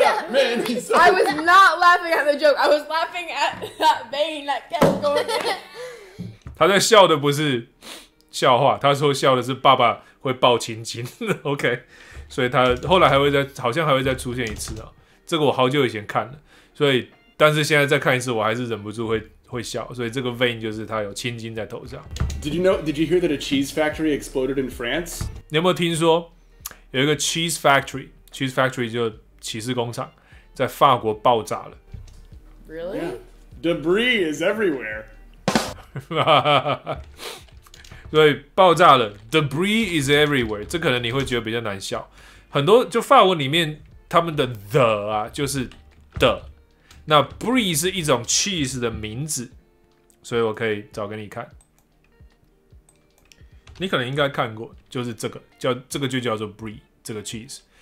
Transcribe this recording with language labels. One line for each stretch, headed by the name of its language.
English: Minnesota, I was not laughing at the joke. I was laughing at that vein that kept going.
Chinese: 他在笑的不是笑话，他说笑的是爸爸会抱青筋。 OK， 所以他后来还会再，好像还会再出现一次啊。这个我好久以前看了，所以但是现在再看一次，我还是忍不住会笑。所以这个 vein 就是他有青筋在头上。
English: Did you hear that a cheese factory exploded in France？
Chinese: 你有没有听说？有一个 cheese factory 就起司工厂，在法国爆炸了。
English: Really?、 Yeah. Debris is everywhere.
Chinese: 所以爆炸了 ，
English: debris is everywhere.
Chinese: 这可能你会觉得比较难笑。很多就法文里面他们的 the 啊，就是 the。那 debris 是一种 cheese 的名字，所以我可以找给你看。你可能应该看过，就是这个叫这个就叫做 brie 这个 cheese。